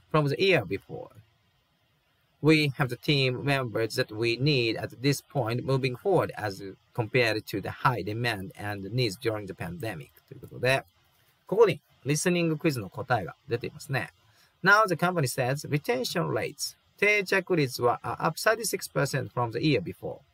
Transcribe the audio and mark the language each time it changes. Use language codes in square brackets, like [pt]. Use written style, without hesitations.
[en] From the year before, we have the team members that we need at this point moving forward as compared to the high demand and needs during the pandemic. [ja] ということで、ここにリスニングクイズの答えが出ていますね。 [en] Now the company says retention rates, [ja] 定着率は [en] up 36% from the year before.